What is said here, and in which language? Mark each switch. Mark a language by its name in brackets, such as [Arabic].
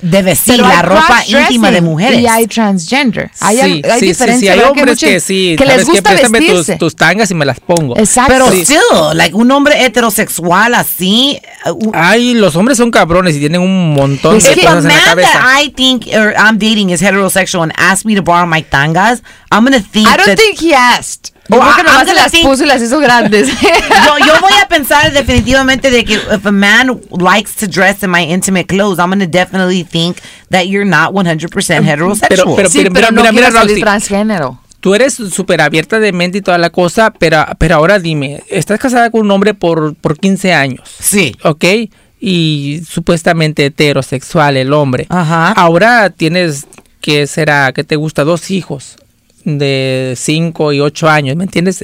[Spanish] pero la ropa íntima de mujeres. Y hay transgender. Hay diferencia. Sí, hay hombres que sí. Que les gusta vestirse. Préstame tus tangas y me las pongo. Exacto. Pero sí, like un hombre heterosexual así. Ay, los hombres son cabrones y tienen un montón de cosas en la cabeza. [English] If a man that I think or I'm dating is heterosexual and asks me to borrow my tangas, I'm going to think I don't think he asked. [Spanish] Porque las hizo grandes. Yo voy a pensar definitivamente de que [English] if a man likes to dress in my intimate clothes, I'm going to definitely think that you're not 100% heterosexual. [Spanish] Pero, sí, pero no quiero salir transgénero. tú eres súper abierta de mente y toda la cosa, pero ahora dime, ¿estás casada con un hombre por 15 años? Sí. ¿Ok? Y supuestamente heterosexual el hombre. Ajá. Ahora tienes, ¿qué será? ¿Qué te gusta? Dos hijos de 5 y 8 años, ¿me entiendes?